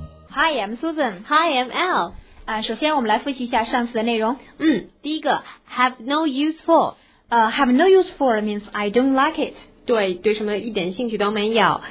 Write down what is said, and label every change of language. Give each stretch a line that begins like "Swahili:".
English: Hi, I'm Susan. Hi, I'm Al.
Chinese: 首先我们来复习一下上次的内容。第一个
English: have no use for. Have no use for means I don't like it.
Chinese: 对，对什么一点兴趣都没有。